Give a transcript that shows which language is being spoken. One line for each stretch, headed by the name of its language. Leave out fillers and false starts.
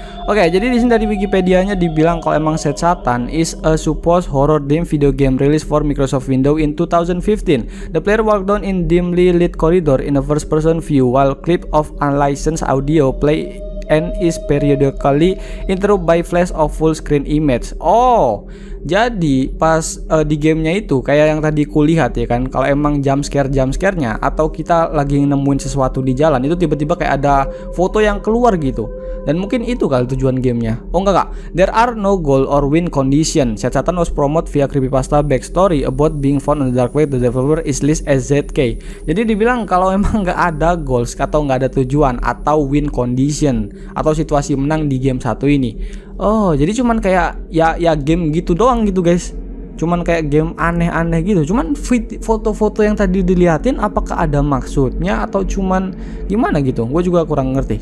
Indonesian: Oke, jadi di sini dari Wikipedia-nya dibilang kalau emang
English: Set Satan is a supposed horror dim video game released for Microsoft Windows in 2015. The player walked down in dimly lit corridor in a first person view while clip of unlicensed audio play and is periodically interrupted by flash of full screen image.
Indonesian: Oh, jadi pas di gamenya itu kayak yang tadi kulihat ya kan, kalau emang jumpscare-jumpscare-nya atau kita lagi nemuin sesuatu di jalan itu tiba-tiba kayak ada foto yang keluar gitu. Dan mungkin itu kali tujuan gamenya. Oh enggak.
English: There are no goal or win condition. Set Satan was promoted via creepypasta backstory about being found on the dark web. The developer is listed as ZK.
Indonesian: Jadi dibilang kalau emang enggak ada goals atau enggak ada tujuan atau win condition atau situasi menang di game satu ini. Oh, jadi cuman kayak ya game gitu doang gitu, guys. Cuman kayak game aneh-aneh gitu. Cuman foto-foto yang tadi diliatin, apakah ada maksudnya atau cuman gimana gitu? Gue juga kurang ngerti.